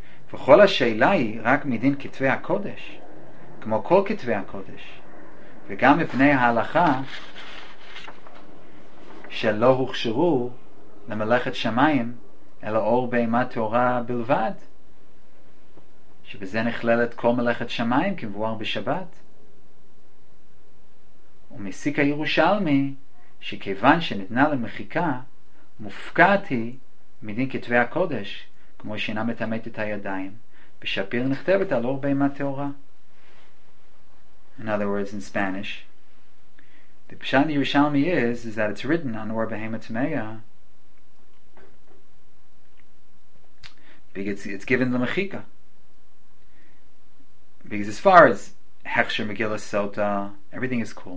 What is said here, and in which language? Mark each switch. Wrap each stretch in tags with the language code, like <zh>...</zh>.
<he>V'chol ha-sheila hi rak midin kitvei ha-kodesh, kmo kol kitvei ha-kodesh, v'gam mipnei ha-halakha shelo hukshiru lemelechet shamayim ela Ur Behema Torah bilvad, שבזה נכללת כל מלאכת שמיים כמבואר בשבת. ומסיק הירושלמי שכיוון שניתנה למחיקה, מופקעת היא מדין כתבי הקודש, כמו שאינה מתמת את הידיים, ושפיר נכתבת על אור בהמה טהורה.</he> <en>In other words, in Spanish, the pshat Yerushalmi is that it's written on Or Behema Tmeya, because it's given למחיקה. Because as far as Heksher Megillah Sota, everything is cool.</en>